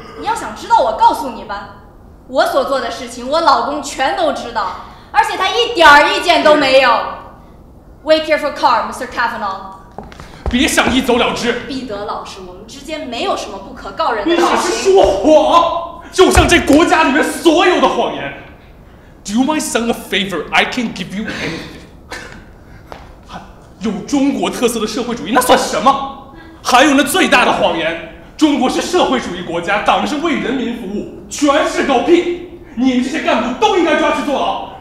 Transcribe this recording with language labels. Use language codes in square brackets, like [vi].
[zh] 你要想知道，我告诉你吧，我所做的事情我老公全都知道，而且他一点儿意见都没有。 [en] Wait here for car, Mr. Kavanaugh. [zh] 别想一走了之。彼得老师，我们之间没有什么不可告人的事情。你是说谎，就像这国家里面所有的谎言。 [en] Do my son a favor, I can give you anything. [zh] 有中国特色的社会主义，那算什么？还有那最大的谎言，中国是社会主义国家，党是为人民服务，全是狗屁。你们这些干部都应该抓去坐牢。